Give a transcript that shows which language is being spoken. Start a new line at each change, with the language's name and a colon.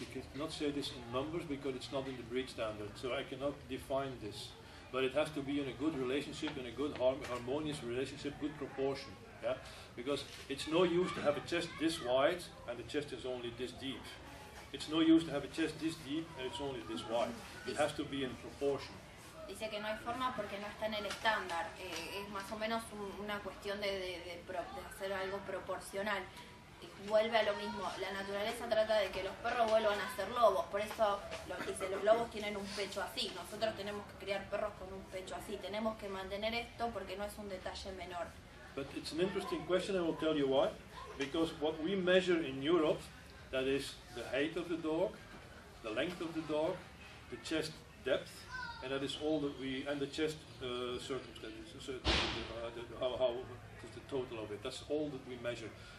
English: You cannot say this in numbers because it's not in the breed standard. So I cannot define this. But it has to be in a good relationship, in a good harmonious relationship, good proportion. Yeah, because it's no use to have a chest this wide and the chest is only this deep. It's no use to have a chest this deep and it's only this wide. It has to be in proportion.
Spanish: Dice que no hay forma porque no está en el estándar. Es más o menos una cuestión de hacer algo proporcional. Y vuelve a lo mismo. La naturaleza trata de que los perros vuelvan a ser lobos. Por eso lo dice, los lobos tienen un pecho así. Nosotros tenemos que criar perros con un pecho así. Tenemos que mantener esto porque no es un detalle menor.
English: But it's an interesting question. I will tell you why. Because what we measure in Europe, that is the height of the dog, the length of the dog, the chest depth, and that is all that we, and the chest circumstances, how the total of it, that's all that we measure.